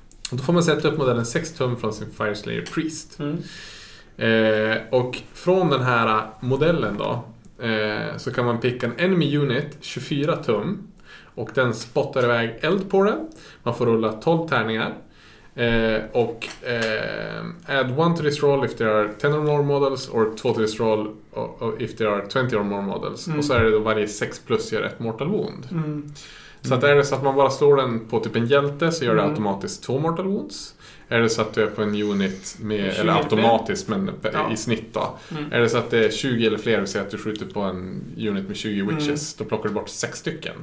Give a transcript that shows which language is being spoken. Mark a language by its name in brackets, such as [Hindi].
[Swedish] Och då får man sätta upp modellen 6 tum från sin Fire Slayer priest. Mm. Och från den här modellen då, så kan man picka en enemy unit 24 tum. Och den spottar iväg eld på den. Man får rulla 12 tärningar. [English] Och add one to this roll if there are 10 or more models, or two to this roll if there are 20 or more models. [Swedish] Mm. Och så är det då varje 6 plus gör ett mortal wound. Mm. Så att är det så att man bara slår den på typ en hjälte, så gör det automatiskt 2 mortal wounds. Är det så att du är på en unit med, eller automatiskt, men i snitt då. Mm. Är det så att det är 20 eller fler, så att du skjuter på en unit med 20 witches, då plockar du bort 6 stycken.